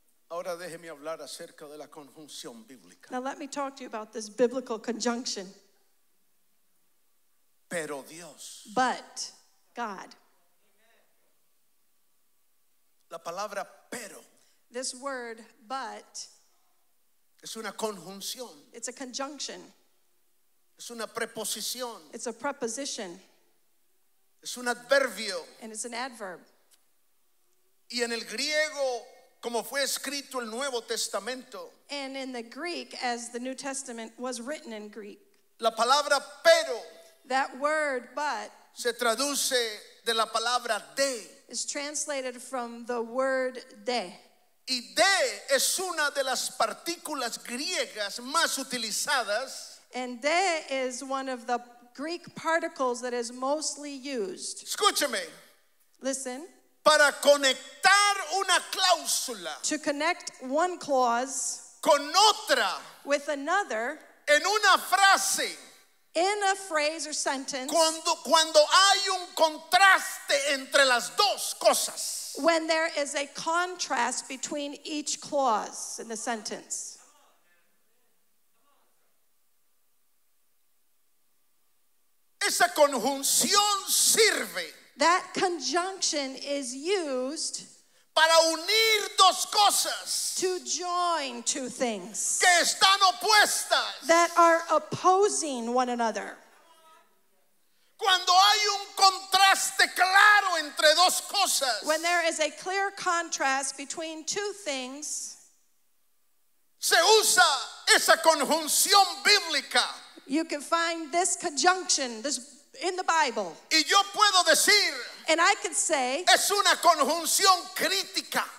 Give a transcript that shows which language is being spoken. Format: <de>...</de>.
<es>Ahora déjeme hablar acerca de la conjunción bíblica.</es> <en>Now let me talk to you about this biblical conjunction.</en> <es>Pero Dios.</es> <en>But God.</en> <es>La palabra pero.</es> <en>This word but.</en> <es>Es una conjunción.</es> <en>It's a conjunction.</en> <es>Es una preposición.</es> <en>It's a preposition.</en> <es>Es un adverbio.</es> <en>And it's an adverb.</en> <es>Y en el griego, como fue escrito el Nuevo Testamento.</es> <en>And in the Greek, as the New Testament was written in Greek.</en> <es>La palabra pero.</es> <en>That word, but.</en> <es>Se traduce de la palabra de.</es> <en>Is translated from the word de.</en> <es>Y de es una de las partículas griegas más utilizadas.</es> <en>And de is one of the Greek particles that is mostly used.</en> <es>Escúcheme.</es> <en>Listen.</en> <es>Para conectar una cláusula.</es> <en>To connect one clause.</en> <es>Con otra.</es> <en>With another.</en> <es>En una frase.</es> <en>In a phrase or sentence.</en> <es>Cuando hay un contraste entre las dos cosas.</es> <en>When there is a contrast between each clause in the sentence.</en> <es>Esa conjunción sirve.</es> <en>That conjunction is used</en> <es>para unir dos cosas.</es> <en>To join two things.</en> <es>Que están opuestas.</es> <en>That are opposing one another.</en> <es>Cuando hay un contraste claro entre dos cosas.</es> <en>When there is a clear contrast between two things.</en> <es>Se usa esa conjunción bíblica.</es> <en>You can find this conjunction this in the Bible.</en> <es>Y yo puedo decir,</es> <en>and I can say,</en> <es>es una conjunción crítica.</es>